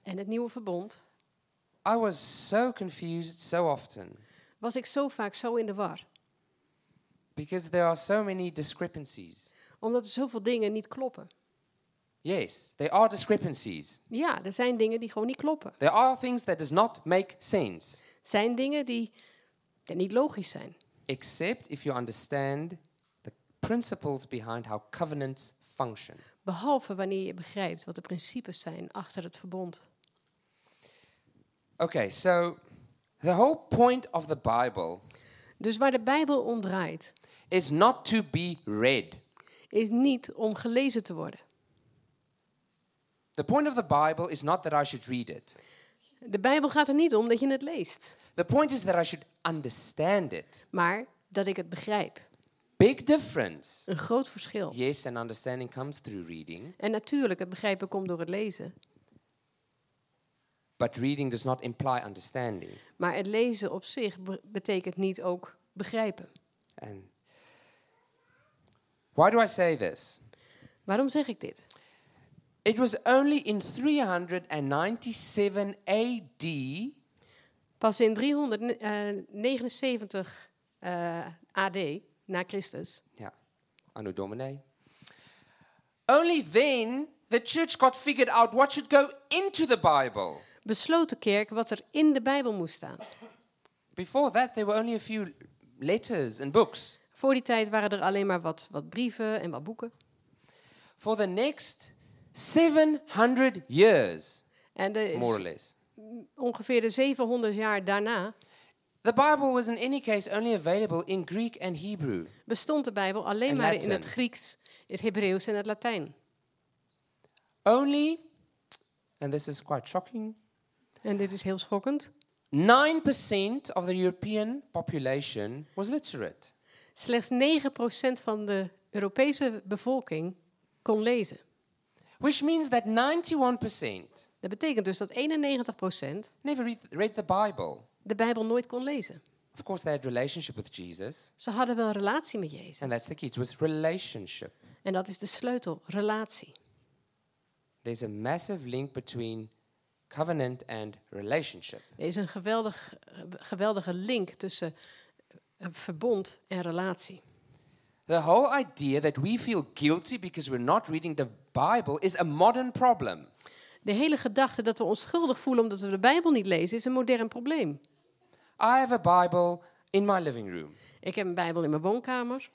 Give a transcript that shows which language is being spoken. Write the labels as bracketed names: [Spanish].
[Dutch] en het Nieuwe Verbond, [English] I was so confused so often. [Dutch] Was ik zo vaak zo in de war. [English] Because there are so many discrepancies. [Dutch] Omdat er zoveel dingen niet kloppen. [English] Yes, there are discrepancies. [Dutch] Ja, er zijn dingen die gewoon niet kloppen. [English] There are things that does not make sense. [Dutch] Zijn dingen die niet logisch zijn. [English] Except if you understand principles behind how covenants function. [Dutch] Behalve wanneer je begrijpt wat de principes zijn achter het verbond. [English] Okay, so the whole point of the Bible. [Dutch] Dus waar de Bijbel om draait. [English] Is not to be read. [Dutch] Is niet om gelezen te worden. [English] The point of the Bible is not that I should read it. [Dutch] De Bijbel gaat er niet om dat je het leest. [English] The point is that I should understand it. [Dutch] Maar dat ik het begrijp. [English] Big difference. [Dutch] Een groot verschil. [English] Yes, and understanding comes through reading. [Dutch] En natuurlijk, het begrijpen komt door het lezen. [English] But reading does not imply understanding. [Dutch] Maar het lezen op zich betekent niet ook begrijpen. [English] And why do I say this? [Dutch] Waarom zeg ik dit? [English] It was only in 397 AD. [Dutch] Pas in 379 AD. Na Christus. Ja. Anno Domini. [English] Only then the church got figured out what should go into the Bible. [Dutch] Besloot de kerk wat er in de Bijbel moest staan. [English] Before that there were only a few letters and books. [Dutch] Voor die tijd waren er alleen maar wat brieven en wat boeken. [English] For the next 700 years, more or less. [Dutch] Ongeveer de 700 jaar daarna. [English] The Bible was in any case only available in Greek and Hebrew. [Dutch] Bestond de Bijbel alleen maar in het Grieks, het Hebreeuws en het Latijn. [English] Only, and this is quite shocking. [Dutch] En dit is heel schokkend. [English] 9% of the European population was literate. [Dutch] Slechts 9% van de Europese bevolking kon lezen. [English] Which means that 91%. [Dutch] Dat betekent dus dat 91% [English] never read the Bible. [Dutch] De Bijbel nooit kon lezen. [English] Of course they had relationship with Jesus. [Dutch] Ze hadden wel een relatie met Jezus. [English] And that's the key. It was relationship. [Dutch] En dat is de sleutel, relatie. [English] There's a massive link between covenant and relationship. [Dutch] Er is een geweldige link tussen verbond en relatie. [English] The whole idea that we feel guilty because we're not reading the Bible is a modern problem. [Dutch] De hele gedachte dat we ons schuldig voelen omdat we de Bijbel niet lezen is een modern probleem. [English] I have a Bible in my living room. [Dutch] Ik heb een Bijbel in mijn woonkamer.